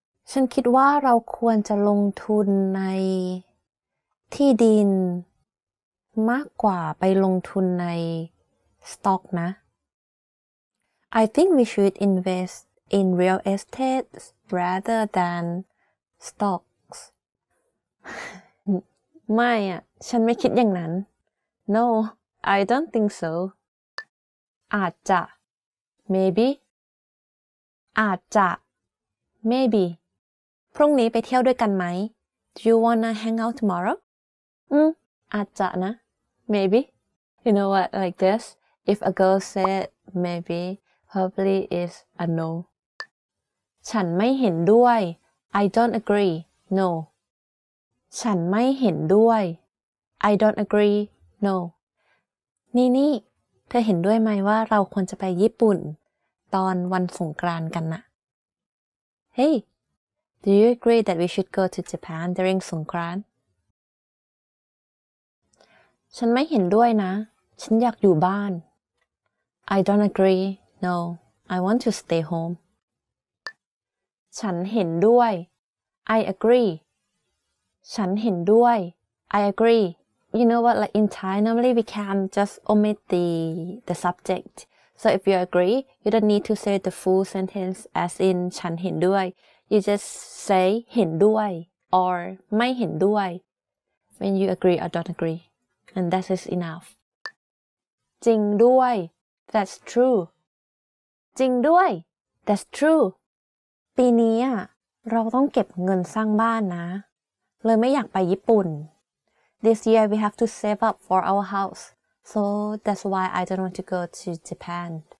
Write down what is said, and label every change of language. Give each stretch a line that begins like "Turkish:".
Thai: ฉันคิดว่าเราควรจะลงทุนในที่ดินมากกว่าไปลงทุนในสต็อกนะ
English: I think we should investin real estate rather than stocks.
Thai: ไม่อ่ะฉันไม่คิดอย่างนั้น
English: No, I don't think so.
Thai: อาจจะ
English: maybe
Thai: อาจจะ maybe พรุ่งนี้ไปเที่ยวด้วยกันไหม
English: Do you wanna hang out tomorrow?
Thai: อาจจะนะ
English: maybe You know what, like this if a girl said maybe probably is a no
Thai: ฉันไม่เห็นด้วย
English: I don't agree No
Thai: ฉันไม่เห็นด้วย
English: I don't agree No
Thai: นี่เธอเห็นด้วยไหมว่าเราควรจะไปญี่ปุ่นตอนวันสงกรานต์กันนะ
English: Hey Do you agree that we should go to Japan during สงกรานต์
Thai: ฉันไม่เห็นด้วยนะฉันอยากอยู่บ้าน
English: I don't agree No I want to stay home
Thai: ฉันเห็นด้วย
English: I agree
Thai: ฉันเห็นด้วย
English: I agree. You know what? Like in Thai, normally we can just omit the subject. So if you agree, you don't need to say the full sentence as in
Thai: ฉันเห็นด้วย
English: You just say เห็นด้วย or ไม่เห็นด้วย When you agree or don't agree. And that is enough.
Thai: จริงด้วย
English: That's true.
Thai: จริงด้วย That's true. ปีนี้อ่ะเราต้องเก็บเงินสร้างบ้านนะเลยไม่อยากไปญี่ปุ่น
English: This year we have to save up for our house so that's why I don't want to go to Japan